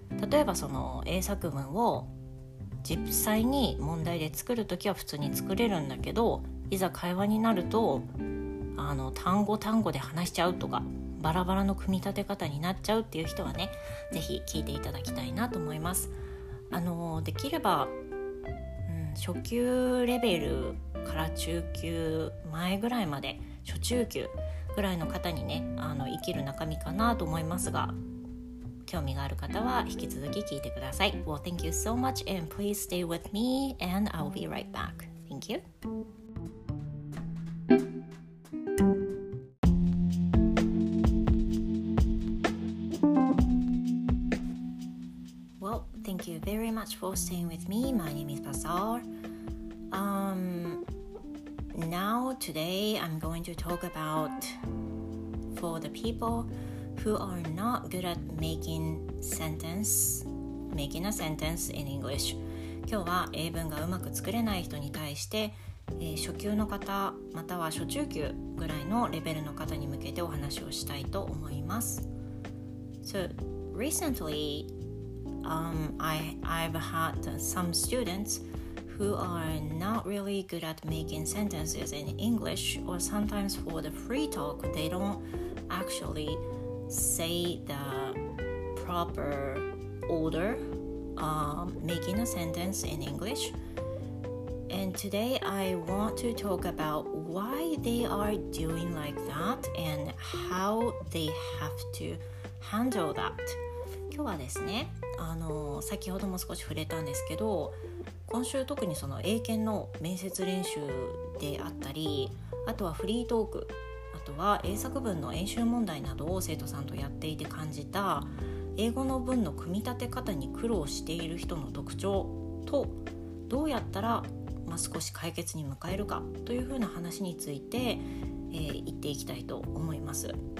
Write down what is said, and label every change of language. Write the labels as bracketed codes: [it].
[ja] 例えばその英作文を実際に問題で作るときは普通に作れるんだけど、いざ会話になると単語単語で話しちゃうとか、バラバラの組み立て方になっちゃうっていう人はね、ぜひ聞いていただきたいなと思います。できれば、初級レベルから中級前ぐらいまで、初中級ぐらいの方にね、生きる中身かなと思いますが、興味がある方は引き続き聞いてください。 [en] Well, thank you so much and please stay with me and I'll be right back. Thank you. Thank you very much for staying with me. My name is Bazaar. Now today I'm going to talk about for the people who are not good at making a sentence in English. [ja] 今日は英文がうまく作れない人に対して、初級の方または初中級ぐらいのレベルの方に向けてお話をしたいと思います。 [en] So recentlyI've had some students who are not really good at making sentences in English, or sometimes for the free talk, they don't actually say the proper order making a sentence in English. And today I want to talk about why they are doing like that and how they have to handle that. [ja] 今日はですね、先ほども少し触れたんですけど、今週特にその英検の面接練習であったり、あとはフリートーク、あとは英作文の演習問題などを生徒さんとやっていて感じた英語の文の組み立て方に苦労している人の特徴と、どうやったら、少し解決に向かえるかというふうな話について、言っていきたいと思います。